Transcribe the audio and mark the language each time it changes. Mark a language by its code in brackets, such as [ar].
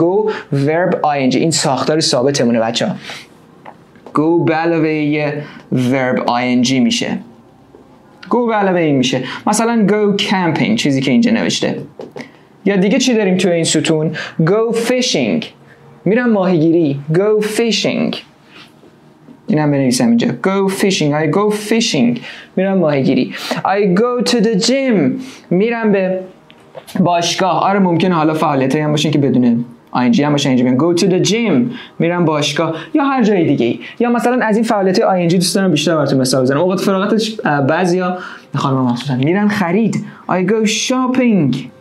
[fa] go verb ing، این ساختار ثابتمونه بچه ها. go به علاوه یه verb ing میشه، go به علاوه این میشه. مثلا [en] go camping، [fa] چیزی که اینجا نوشته. یا دیگه چی داریم توی این ستون؟ [en] go fishing، [fa] میرم ماهیگیری. [en] go fishing، [fa] اینم بنویسم اینجا. go fishing، [en] I go fishing، [fa] میرم ماهیگیری. [en] I go to the gym، [fa] میرم به باشگاه. آره ممکنه حالا فعالیت هایی هم باشین که بدونه ING هم باشه، اینجا بگم [en] go to the gym، [fa] میرم باشگاه، یا هر جای دیگه. یا مثلا از این فعالیت ING دوست دارم بیشتر براتون مثال بزنم. اوقات فراغتش بعضیا خانم مخصوصا میرن خرید، [en] I go shopping.